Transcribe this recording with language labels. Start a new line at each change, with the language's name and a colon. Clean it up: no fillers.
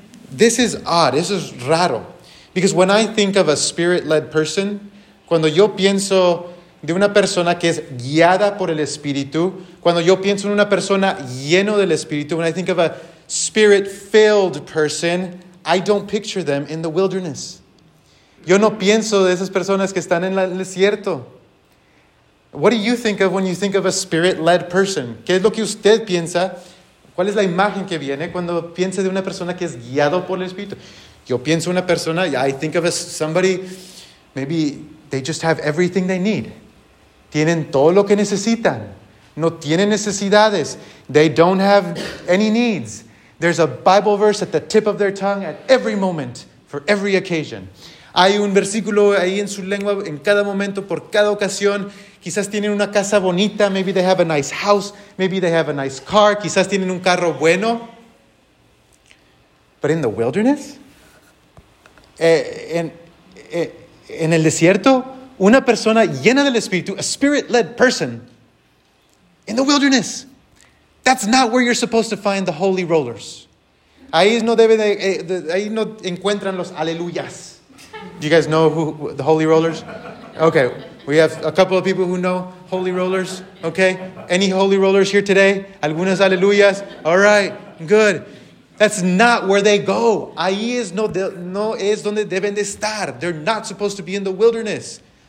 English: This is odd. This is raro. Because when I think of a Spirit-led person,
Spanish: cuando yo pienso de una persona que es guiada por el Espíritu, cuando yo pienso en una persona lleno del Espíritu,
English: when I think of a Spirit-filled person, I don't picture them in the wilderness.
Spanish: Yo no pienso de esas personas que están en el desierto.
English: What do you think of when you think of a Spirit-led person?
Spanish: ¿Qué es lo que usted piensa? ¿Cuál es la imagen que viene cuando piensa de una persona que es guiado por el Espíritu? Yo pienso una persona,
English: I think of somebody, maybe they just have everything they need.
Spanish: Tienen todo lo que necesitan. No tienen necesidades.
English: They don't have any needs. There's a Bible verse at the tip of their tongue at every moment, for every occasion.
Spanish: Hay un versículo ahí en su lengua en cada momento, por cada ocasión. Quizás tienen una casa bonita.
English: Maybe they have a nice house. Maybe they have a nice car.
Spanish: Quizás tienen un carro bueno.
English: But in the wilderness?
Spanish: En el desierto, una persona llena del Espíritu,
English: a Spirit-led person, in the wilderness. That's not where you're supposed to find the holy rollers.
Spanish: Ahí no deben, ahí no encuentran los aleluyas.
English: Do you guys know who the holy rollers? Okay, we have a couple of people who know holy rollers. Okay, any holy rollers here today?
Spanish: Algunas aleluyas.
English: All right, good. That's not where they go.
Spanish: Ahí es no es donde deben de estar.
English: They're not supposed to be in the wilderness.